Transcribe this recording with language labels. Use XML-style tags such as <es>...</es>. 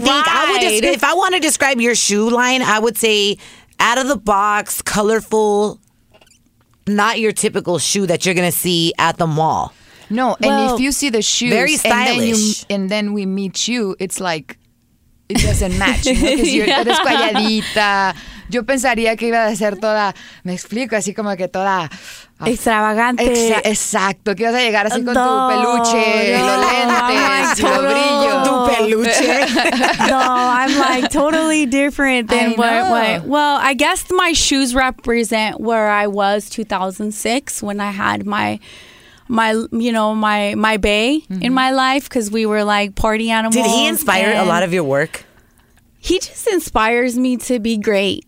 <en>Think I would just, if I want to describe your shoe line, I would say out of the box, colorful, not your typical shoe that you're going to see at the mall. No, and well, if you see the shoes, very stylish. And then we meet you, it's like, it doesn't match. You know, because you're yeah. calladita.</en> <es>Yo pensaría que iba a ser toda, me explico, así como que toda... extravagante. Exacto, que ibas a llegar así con tu peluche, los lentes, el brillo. Tu peluche.</es> <en>No, I'm like totally different than what. Well, I guess my shoes represent where I was 2006 when I had my bae in my life, because we were like party animals. Did he inspire a lot of your work? He just inspires me to be great.</en>